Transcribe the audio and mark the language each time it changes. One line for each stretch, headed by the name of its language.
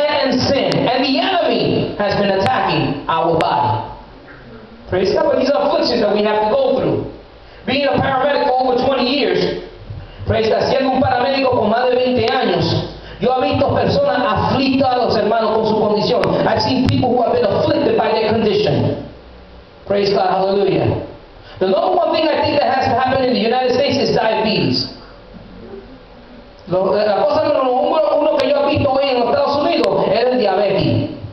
English: Has been attacking our body. Praise God, but these are afflictions that we have to go through. Being a paramedic for over 20 years, praise God,
Spanish: siendo un paramédico por más de 20 años, yo he visto personas aflictas, hermanos, con su condición.
English: I've seen people who have been afflicted by their condition. Praise God, hallelujah. The number one thing I think that has happened in the United States is diabetes.
Spanish: La cosa número uno que yo he visto hoy en los Estados Unidos es el diabetes.